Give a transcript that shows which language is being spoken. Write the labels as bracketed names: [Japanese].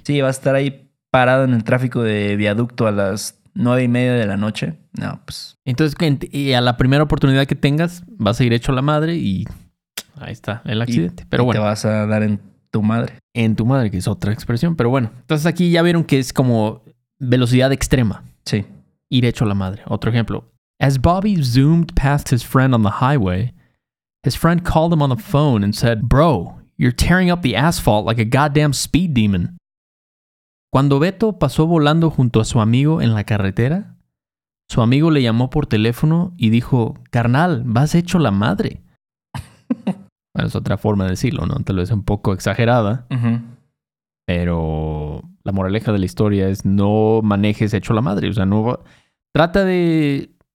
[Spanish] Sí, vas a estar ahí parado en el tráfico de viaducto a las 9:30 de la noche. No, pues. Entonces, y a la primera oportunidad que tengas, vas a ir hecho la madre y ahí está el accidente. Pero bueno. Te vas a dar en tu madre. En tu madre, que es otra expresión. Pero bueno, entonces aquí ya vieron que es como velocidad extrema. Sí. Ir hecho la madre. Otro ejemplo. [English] As Bobby zoomed past his friend on the highway, his friend called him on the phone and said, "Bro, you're tearing up the asphalt like a goddamn speed demon." [Spanish] Cuando Beto pasó volando junto a su amigo en la carretera, su amigo le llamó por teléfono y dijo, "Carnal, vas hecho la madre." Bueno, es otra forma de decirlo, ¿no? Tal vez un poco exagerada. Uh-huh. Pero la moraleja de la historia es no manejes hecho la madre. O sea, no... Trata de...